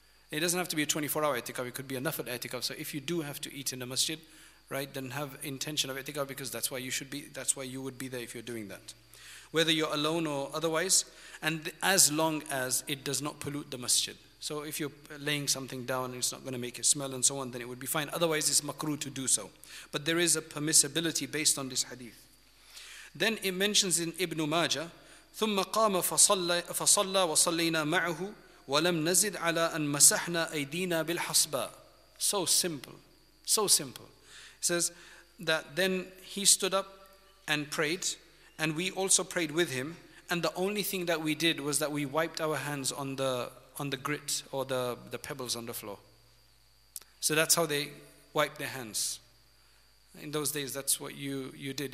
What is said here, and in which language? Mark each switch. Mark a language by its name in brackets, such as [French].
[English] It doesn't have to be a 24-hour i'tikaf. It could be a nafil i'tikaf. So if you do have to eat in the masjid, right, then have intention of i'tikaf, because that's why you should be, that's why you would be there if you're doing that, whether you're alone or otherwise, and as long as it does not pollute the masjid. So if you're laying something down and it's not going to make it smell and so on, then it would be fine. Otherwise, it's makruh to do so. But there is a permissibility based on this hadith. Then it mentions in Ibn Majah, [Arabic] ثُمَّ قَامَ فَصَلَّى وَصَلَّيْنَا مَعُهُ وَلَمْ نَزِدْ عَلَىٰ أَنْ مَسَحْنَا أَيْدِينَا بِالْحَصْبَىٰ. [English] So simple, so simple. Says that then he stood up and prayed, and we also prayed with him, and the only thing that we did was that we wiped our hands on the grit or the pebbles on the floor. So that's how they wiped their hands. In those days, that's what you did.